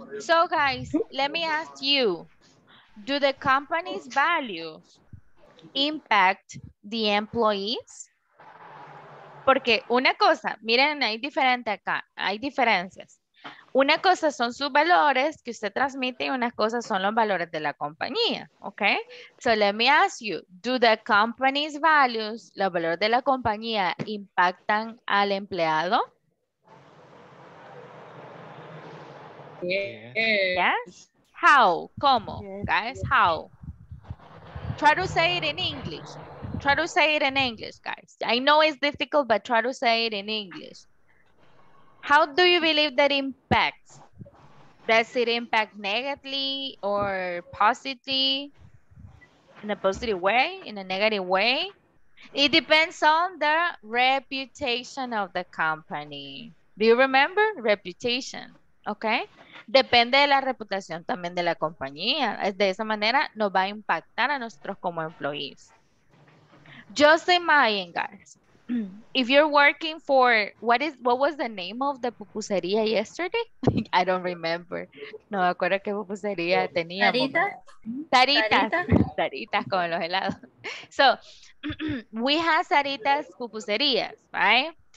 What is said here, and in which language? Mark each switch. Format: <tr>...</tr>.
<en>So, guys, let me ask you, do the company's values impact the employees?</en> <es>Porque una cosa, miren, hay diferente acá, hay diferencias. Una cosa son sus valores que usted transmite y unas cosas son los valores de la compañía, ¿ok?</es> <en>So let me ask you, do the company's values,</en> <es>los valores de la compañía, impactan al empleado?</es> <en>Yes. Yes? How? ¿Cómo? Yes. Guys, how? Try to say it in English. Try to say it in English, guys. I know it's difficult, but try to say it in English. How do you believe that impacts? Does it impact negatively or positively? In a positive way? In a negative way? It depends on the reputation of the company. Do you remember? Reputation. Okay?</en> <es>Depende de la reputación también de la compañía. De esa manera nos va a impactar a nosotros como employees.</es> <en>Just imagine, guys. If you're working for, what was the name of the pupusería yesterday? I don't remember.</en> <es>No me acuerdo qué pupusería tenía. Saritas.</es> <en>Saritas. Saritas</en> <es>con los helados.</es> <en>So, we have Saritas pupuserías, right?</en>